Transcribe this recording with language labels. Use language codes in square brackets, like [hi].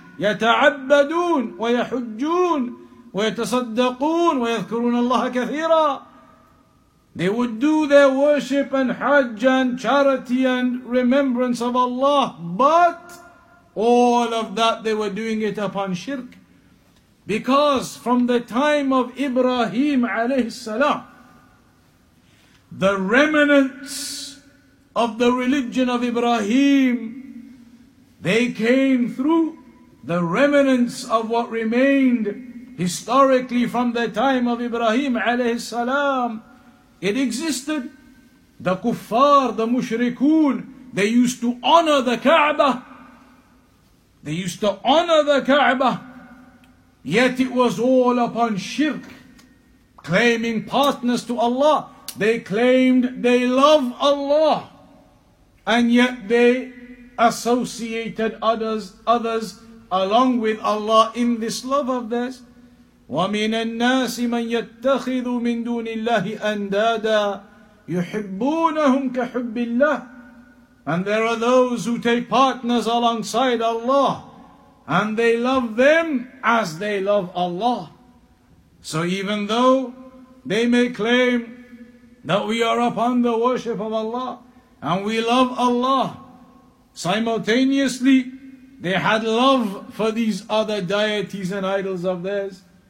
[ar] يتعبدون ويحجون ويتصدقون ويذكرون الله كثيرا. [en] They would do their worship and Hajj and charity and remembrance of Allah, but all of that they were doing it upon shirk. Because from the time of Ibrahim alayhi salam, the remnants of the religion of Ibrahim, they came through the remnants of what remained historically from the time of Ibrahim alayhi salam. It existed. The kuffar, the mushrikun, they used to honor the Kaaba. They used to honor the Kaaba. Yet it was all upon shirk, claiming partners to Allah. They claimed they love Allah, and yet they associated others along with Allah in this love of theirs. [ar] ومن الناس من يتخذ من دون الله أندادا يحبونهم كحب الله. [en] And there are those who take partners alongside Allah, and they love them as they love Allah. So even though they may claim that we are upon the worship of Allah and we love Allah, simultaneously they had love for these other deities and idols of theirs.